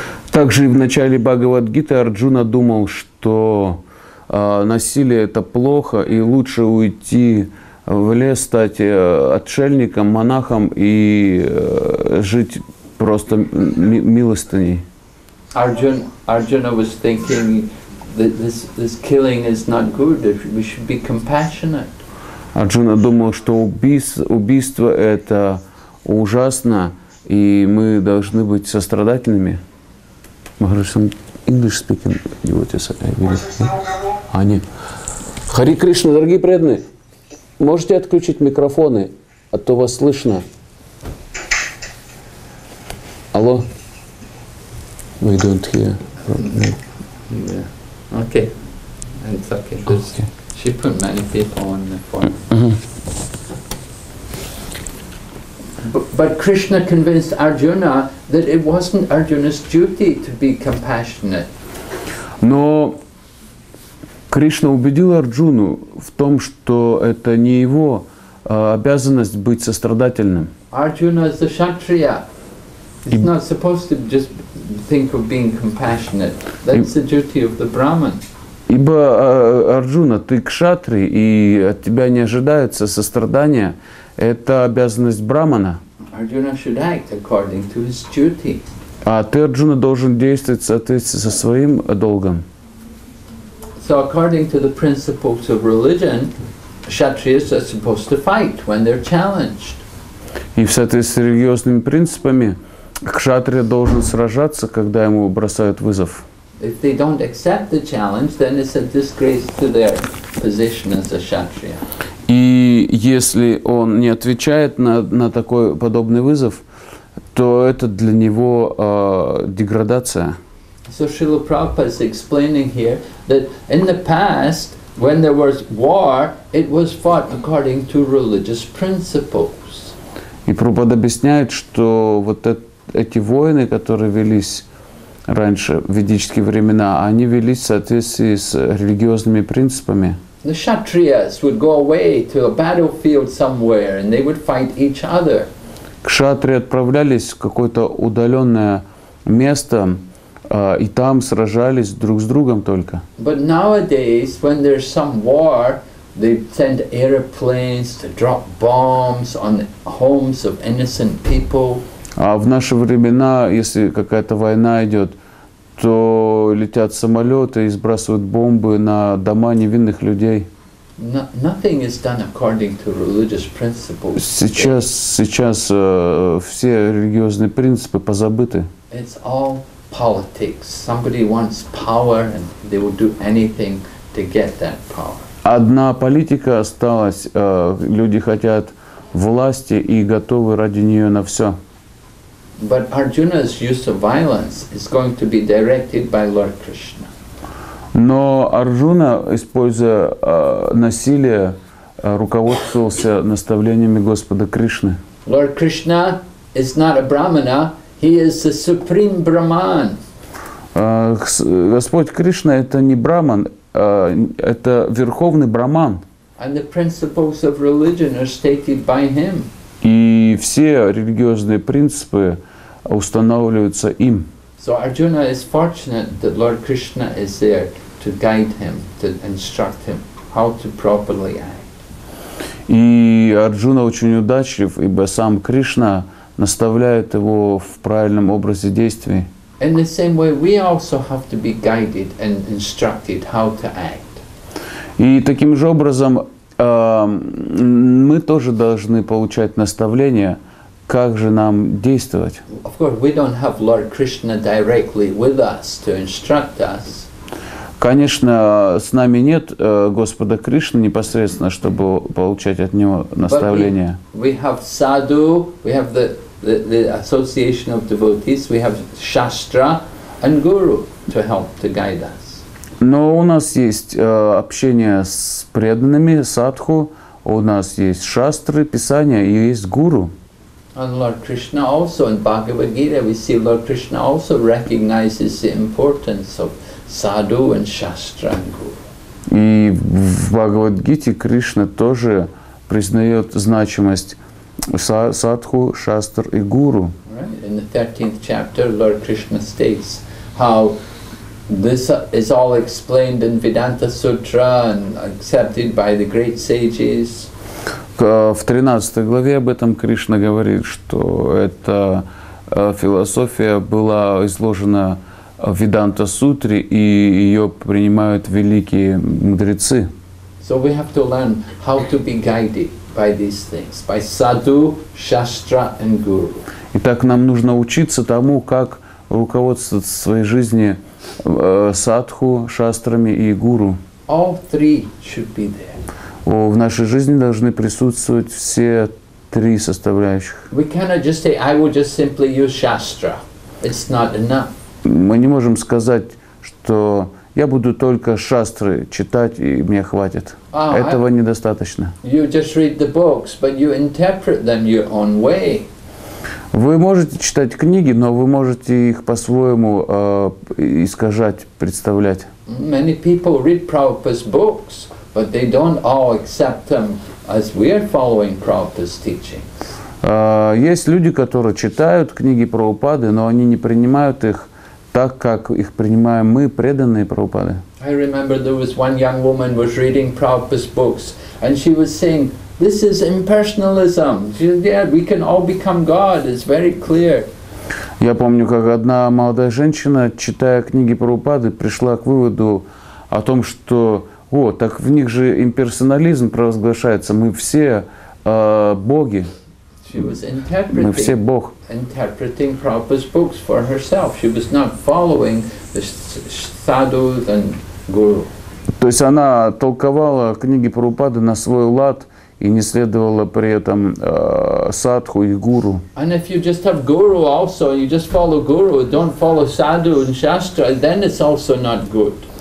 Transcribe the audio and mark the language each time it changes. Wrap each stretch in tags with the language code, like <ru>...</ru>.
<ru>Также в начале Бхагавад-гиты Арджуна думал, что насилие это плохо и лучше уйти в лес, стать отшельником, монахом и жить просто милостыней.</ru> <en>Arjuna was thinking that this killing is not good. We should be compassionate.</en> <ru>Арджуна думал, что убийство это ужасно, и мы должны быть сострадательными. Махараджа,</ru> <en>English speaking,</en> <ru>его тебя сокращили. А нет. Hare Krishna, дорогие преданные, можете отключить микрофоны, а то вас слышно.</ru> <en>Алло. We don't hear. Okay. It's okay. She put many people on the phone. But Krishna convinced Arjuna that it wasn't Arjuna's duty to be compassionate.</en> <ru>Но Кришна убедил Арджуну в том, что это не его обязанность быть сострадательным.</ru> <en>Arjuna is a kshatriya. He's not supposed to just think of being compassionate. That's the duty of the Brahman.</en> <ru>Ибо, Арджуна, ты кшатри, и от тебя не ожидается сострадания. Это обязанность брахмана.</ru> <en>Arjuna should act according to his duty.</en> <ru>А ты, Арджуна, должен действовать в соответствии со своим долгом.</ru> <en>So according to the principles of religion, kshatriyas are supposed to fight when they're challenged.</en> <ru>И в соответствии с религиозными принципами, кшатрия должен сражаться, когда ему бросают вызов.</ru> <en>if they don't accept the challenge, then it's a disgrace to their position as a kshatriya.</en> <ru>И если он не отвечает на такой подобный вызов, то это для него деградация.</ru> <en>So Srila Prabhupada is explaining here that in the past, when there was war, it was fought according to religious principles.</en> <ru>И Прабхупада объясняет, что вот эти войны, которые велись раньше в ведические времена, они велись в соответствии с религиозными принципами.</ru> <en>The kshatriyas would go away to a battlefield somewhere, and they would fight each other.</en> <ru>Кшатри отправлялись в какое-то удаленное место, и там сражались друг с другом только.</ru> <en>But nowadays, when there's some war, they send airplanes to drop bombs on the homes of innocent people.</en> <ru>А в наши времена, если какая-то война идет, то летят самолеты и сбрасывают бомбы на дома невинных людей.</ru> <en>Nothing is done according to religious principles.</en> <ru>Сейчас все религиозные принципы позабыты.</ru> <en>It's all politics. Somebody wants power and they will do anything to get that power.</en> <ru>Одна политика осталась. Люди хотят власти и готовы ради нее на все.</ru> <en>But Arjuna's use of violence is going to be directed by Lord Krishna.</en> <ru>Но Арджуна, используя насилие, руководствовался наставлениями Господа Кришны.</ru> <en>Lord Krishna is not a brahmana, he is the supreme brahman.</en> <ru>Господь Кришна это не брахман, это верховный брахман.</ru> <en>And the principles of religion are stated by him.</en> <ru>И все религиозные принципы устанавливаются им.</ru> <en>So Arjuna is fortunate that Lord Krishna is there to guide him, to instruct him how to properly act.</en> <ru>И Арджуна очень удачлив, ибо сам Кришна наставляет его в правильном образе действий.</ru> <en>In the same way, we also have to be guided and instructed how to act.</en> <ru>И таким же образом мы тоже должны получать наставления, как же нам действовать.</ru> <en>Of course, we don't have Lord Krishna directly with us to instruct us.</en> <ru>Конечно, с нами нет Господа Кришны непосредственно, чтобы получать от Него наставления.</ru> <en>We have sadhu, we have the association of devotees, we have shastra and guru to help to guide us.</en> <ru>Но у нас есть общение с преданными, садху, у нас есть шастры, писания и есть гуру.</ru> <en>And Lord Krishna also in Bhagavad Gita we see Lord Krishna also recognizes the importance of sadhu and shastra and guru.</en> <ru>И в Бхагавад-гите Кришна тоже признает значимость садху, шастр и гуру.</ru> <en>Right. In the 13th chapter, Lord Krishna states how this is all explained in Vedanta Sutra and accepted by the great sages.</en> <ru>В 13 главе об этом Кришна говорит, что эта философия была изложена в Веданта Сутре, и ее принимают великие мудрецы.</ru> <en>So we have to learn how to be guided by these things, by sadhu, shastra and guru.</en> <ru>Итак, нам нужно учиться тому, как руководствоваться в своей жизни садху, шастрами и гуру.</ru> <en>All three should be there.</en> <ru>В нашей жизни должны присутствовать все три составляющих.</ru> <en>We cannot just say, I will just simply use shastra. It's not enough.</en> <ru>Мы не можем сказать, что я буду только шастры читать, и мне хватит. Этого недостаточно.</ru> <en>You just read the books, but you interpret them your own way.</en> <ru>Вы можете читать книги, но вы можете их по-своему искажать, представлять.</ru> <en>Many people read Prabhupada's books, but they don't all accept them as we are following Prabhupada's teachings.</en> <ru>Есть люди, которые читают книги Прабхупады, но они не принимают их так, как их принимаем мы, преданные Прабхупады.</ru> <en>I remember there was one young woman was reading Prabhupada's books, and she was saying, "This is impersonalism." She said, "Yeah, we can all become God. It's very clear."</en> <ru>Я помню, как одна молодая женщина, читая книги Прабхупады, пришла к выводу о том, что о, так в них же имперсонализм провозглашается. Мы все боги.</ru> <en>She was interpreting,</en> <ru>мы все Бог.</ru> <en>Interpreting Prabhupada's books for herself. She was not following sadhus and guru.</en> <ru>То есть она толковала книги Прабхупады на свой лад и не следовала при этом садху и гуру.</ru> <en>And if you just have guru also, you just follow guru, don't follow sadhu and shastra, then it's also not good.</en>